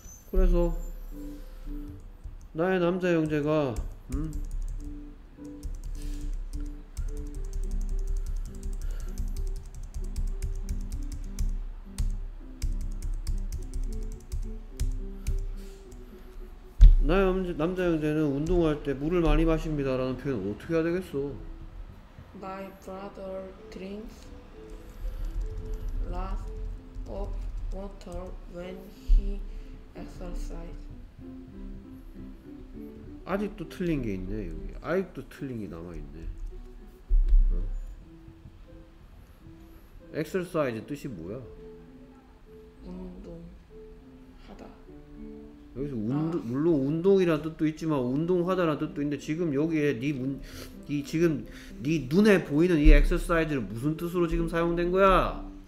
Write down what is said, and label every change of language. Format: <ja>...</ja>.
<ko>그래서 나의 남자 형제가 나의 남자 형제는 운동할 때 물을 많이 마십니다 라는 표현을 어떻게 해야 되겠어?</ko> <en>My brother drinks lots of water when he exercises.</en> <ko>아직도 틀린 게 있네 여기. 아직도 틀린 게 남아 있네. 어? Exercise 뜻이 뭐야? 운동하다. 여기서 운동 아. 물론 운동이라는 뜻도 있지만 운동하다라는 뜻도 있는데 지금 여기에 네 지금 네 눈에 보이는 이 exercise를 무슨 뜻으로 지금 사용된 거야?</ko>